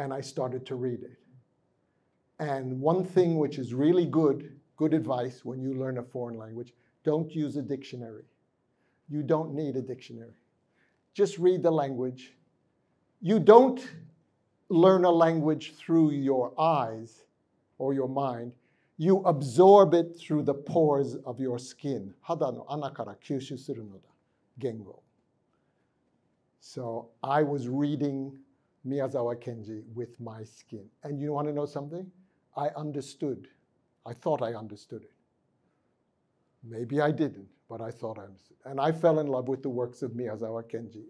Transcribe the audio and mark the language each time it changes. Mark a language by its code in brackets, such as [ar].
[en] And I started to read it. And one thing which is really good advice when you learn a foreign language, don't use a dictionary. You don't need a dictionary. Just read the language. You don't learn a language through your eyes or your mind. You absorb it through the pores of your skin. [ja] 肌の穴から吸収するのだ。言語。 [en] So I was reading 宮沢賢治 with my skin. And you want to know something? I understood. I thought I understood it. Maybe I didn't. But I thought I was, and I fell in love with the works of Miyazawa Kenji.